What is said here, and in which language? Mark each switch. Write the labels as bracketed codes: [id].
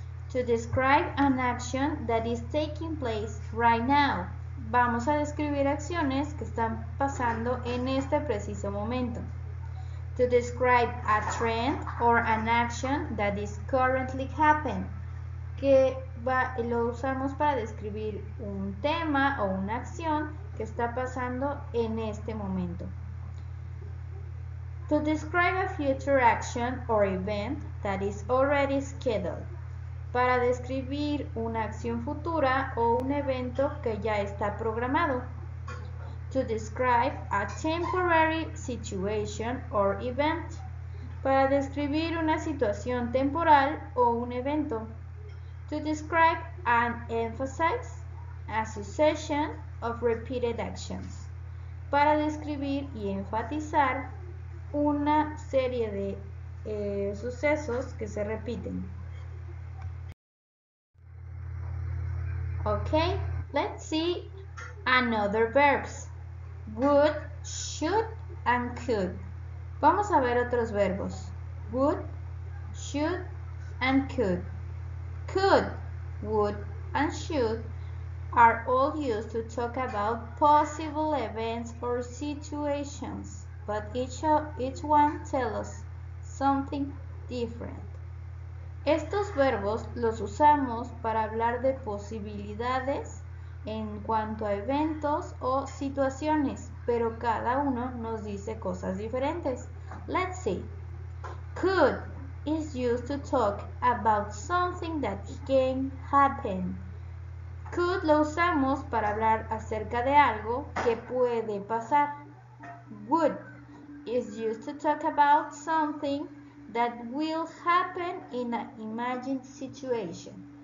[en] To describe an action that is taking place right now. [es] Vamos a describir acciones que están pasando en este preciso momento. [en] To describe a trend or an action that is currently happening. [es] Que va, lo usamos para describir un tema o una acción que está pasando en este momento. [en] To describe a future action or event that is already scheduled. [es] Para describir una acción futura o un evento que ya está programado. [en] To describe a temporary situation or event. [es] Para describir una situación temporal o un evento. [en] To describe and emphasize a succession of repeated actions. [es] Para describir y enfatizar una serie de sucesos que se repiten. [en] Okay, let's see another verbs. would, should, and could. [es] Vamos a ver otros verbos. [en] Would, should, and could. Could, would, and should are all used to talk about possible events or situations, but each one tells us something different. [es] Estos verbos los usamos para hablar de posibilidades en cuanto a eventos o situaciones, pero cada uno nos dice cosas diferentes. [en] Let's see. Could is used to talk about something that can happen. [es] Could lo usamos para hablar acerca de algo que puede pasar. [en] Would is used to talk about something that will happen in an imagined situation.